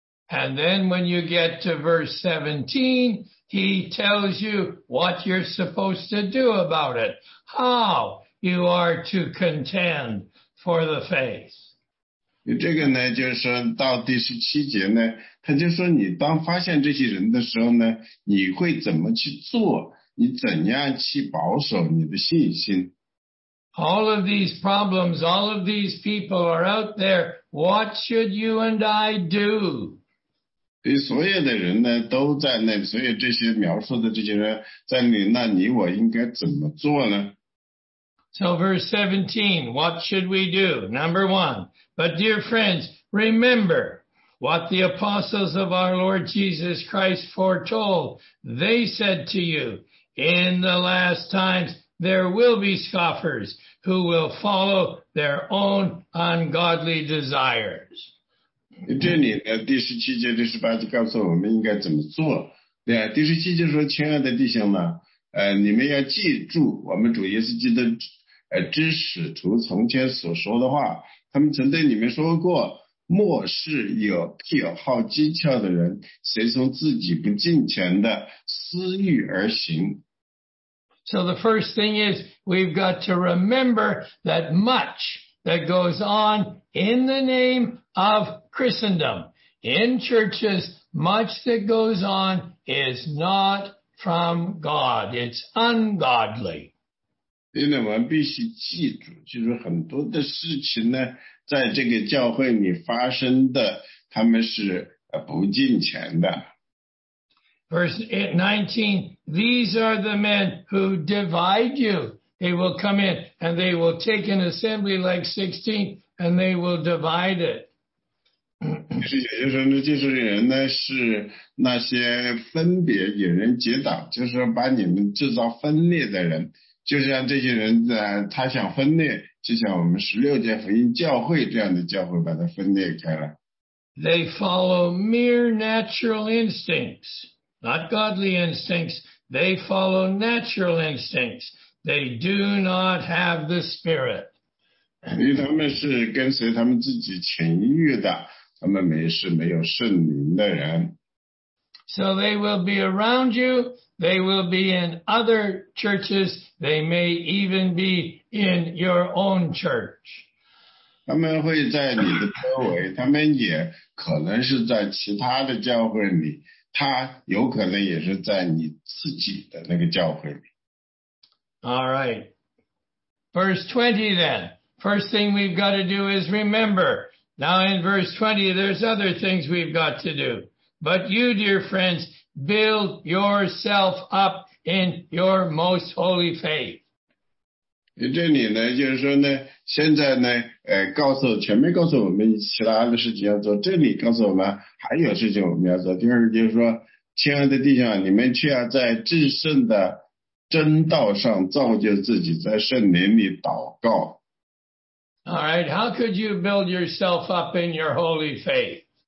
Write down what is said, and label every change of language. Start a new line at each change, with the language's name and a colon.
English: And then when you get to verse 17, he tells you what you're supposed to do about it. How? You are to contend for the faith.
Chinese: 这个呢就是到第十七节呢，他就说你当发现这些人的时候呢，你会怎么去做，你怎样去保守你的信心。
English: All of these problems, all of these people are out there. What should you and I do?
Chinese: 所有的人呢都在那，所有这些描述的这些人在那，那你我应该怎么做呢？
English: So verse 17, what should we do? Number one, but dear friends, remember what the apostles of our Lord Jesus Christ foretold. They said to you, in the last times, there will be scoffers who will follow their own ungodly desires.
Chinese: 这里第十七节、第十八节告诉我们应该怎么做。对啊，第十七节说，亲爱的弟兄们，你们要记住我们主耶稣基督。知使徒从前所说的话，他们曾对你们说过，末世有癖好讥诮的人，随从自己不敬虔的私欲而行。
English: So the first thing is, we've got to remember that much that goes on in the name of Christendom. In churches, much that goes on is not from God. It's ungodly.
Chinese: 因为我们必须记住，就是很多的事情呢，在这个教会里发生的，他们是不敬虔的。
English: Verse 19, these are the men who divide you. They will come in and they will take an assembly like 16 and they will divide it.
Chinese: 就是呢，就是人呢，是那些分别引人结党，就是把你们制造分裂的人。就像这些人在，他想分裂，就像我们十六届福音教会这样的教会把它分裂开了。
English: They follow mere natural instincts. Not godly instincts, they follow natural instincts. They do not have the spirit.
Chinese: 因为他们是跟随他们自己情欲的，他们是没有圣灵的人。
English: So they will be around you, they will be in other churches, they may even be in your own church.
Chinese: 他们会在你的周围，他们也可能是在其他的教会里。他有可能也是在你自己的那个教会里。
English: All right. Verse 20 then. First thing we've got to do is remember. Now in verse 20, there's other things we've got to do. But you, dear friends, build yourself up in your most holy faith.
Chinese: 这里呢，就是说呢，现在呢，告诉前面告诉我们其他的事情要做，这里告诉我们还有事情我们要做。第二就是说，亲爱的弟兄，你们却要在至圣的真道上造就自己，在圣灵里祷告。
English: All right, how could you build yourself up in your holy faith?